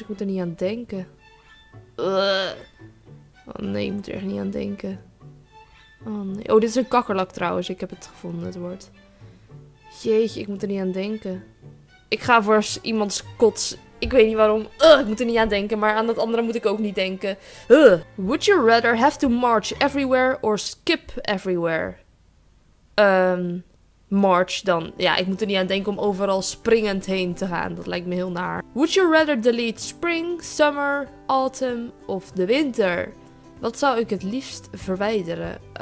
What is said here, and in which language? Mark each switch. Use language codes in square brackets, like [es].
[nl] Ik moet er niet aan denken. Ik moet er echt niet aan denken. Oh, dit is een kakkerlak trouwens. Ik heb het gevonden, het woord. Jeetje, ik moet er niet aan denken. Ik ga voor iemands kots. Ik weet niet waarom. Ik moet er niet aan denken. Maar aan dat andere moet ik ook niet denken. [en] Would you rather have to march everywhere or skip everywhere? [nl] March dan. Ja, ik moet er niet aan denken om overal springend heen te gaan. Dat lijkt me heel naar. [en] Would you rather delete spring, summer, autumn of the winter? [nl] Wat zou ik het liefst verwijderen?